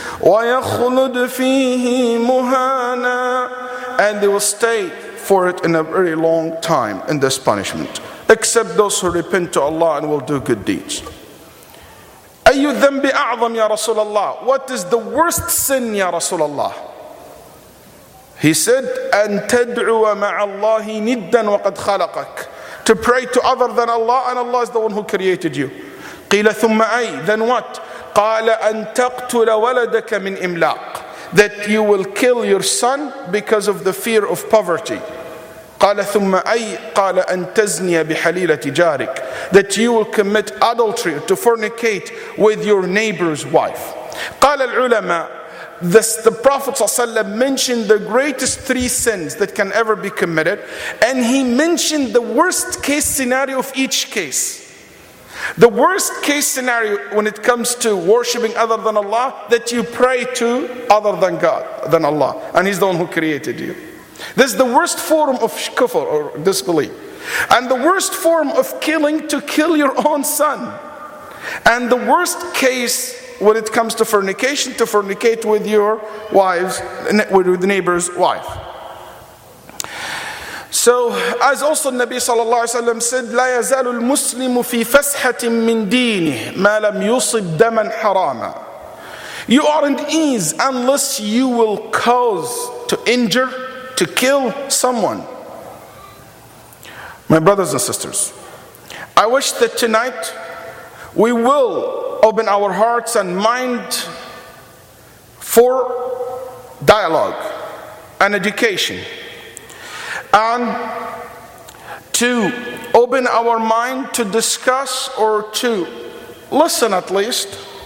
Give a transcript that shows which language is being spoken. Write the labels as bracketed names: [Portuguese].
[Arabic] وَيَخْلُدْ فِيهِ مُهَانًا. [English] And they will stay for it in a very long time in this punishment. Except those who repent to Allah and will do good deeds. [Arabic] أَيُّ ذَنْبِ أَعْظَمْ يَا رَسُولَ اللَّهِ. [English] What is the worst sin, [Arabic] يَا رَسُولَ اللَّهِ? [English] He said, [Arabic] "أن تدعو مع الله ندا وقد خلقك." [English] To pray to other than Allah, and Allah is the one who created you. [Arabic] قيل ثم أي. [English] Then what? [Arabic] قال أن تقتل ولدك من إملاق. [English] That you will kill your son because of the fear of poverty. [Arabic] قال ثم أي. قال أن تزني بحليلة جارك. [English] That you will commit adultery, to fornicate with your neighbor's wife. [Arabic] قال العلماء. [English] The Prophet ﷺ mentioned the greatest three sins that can ever be committed, and he mentioned the worst case scenario of each case. The worst case scenario when it comes to worshipping other than Allah, that you pray to other than God, than Allah, and He's the one who created you. This is the worst form of kufr or disbelief. And the worst form of killing, to kill your own son. And the worst case when it comes to fornication, to fornicate with your wives, with the neighbor's wife. So, as also Nabi sallallahu alayhi wa sallam said, [Arabic] لا يزال المسلم في فسحة من دينه ما لم يصب دما حراما. [English] You aren't ease unless you will cause to injure, to kill someone. My brothers and sisters, I wish that tonight we will open our hearts and mind for dialogue and education, and to open our mind to discuss or to listen at least